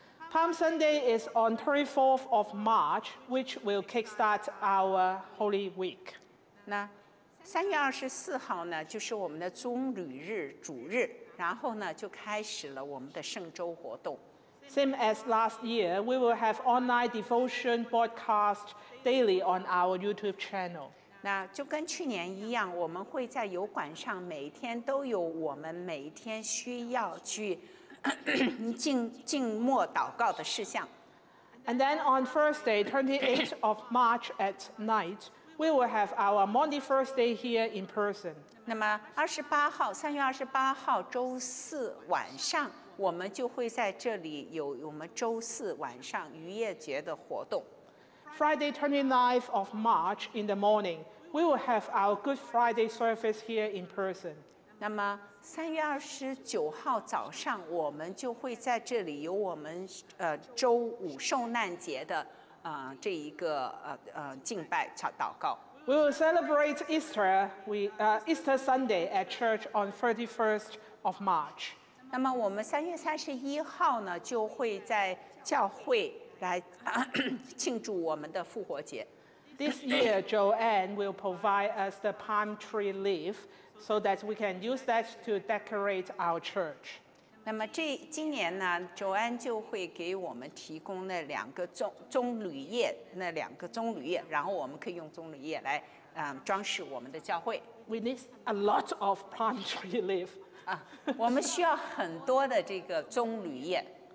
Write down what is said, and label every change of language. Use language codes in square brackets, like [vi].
[en] Palm Sunday is on 24th of March, which will kickstart our Holy Week. [zh] 那三月二十四号呢，就是我们的棕榈日主日，然后呢就开始了我们的圣周活动。 [en] Same as last year, we will have online devotion broadcast daily on our YouTube channel. [zh] 那就跟去年一样，我们会在油管上每天都有我们每天需要去静默祷告的事项。 [en] And then on Thursday, 28th of March at night, we will have our Monday first day here in person. [zh] 那么二十八号，三月二十八号周四晚上。我们就会在这里有我们周四晚上渔业节的活动。 [en] Friday 29th of March in the morning, we will have our Good Friday service here in person. [zh] 那么三月二十九号早上，我们就会在这里有我们周五受难节的这一个敬拜祷告。 [en] We will celebrate Easter Easter Sunday at church on 31st of March. [zh] 那么我们三月三十一号呢，就会在教会来庆祝我们的复活节。 [en] This year, Joanne will provide us the palm tree leaf so that we can use that to decorate our church. [zh] 那么这今年呢 ，Joanne 就会给我们提供那两个棕榈叶，那两个棕榈叶，然后我们可以用棕榈叶来装饰我们的教会。 [en] We need a lot of palm tree leaf. [zh] 我们需要很多的这个棕榈叶。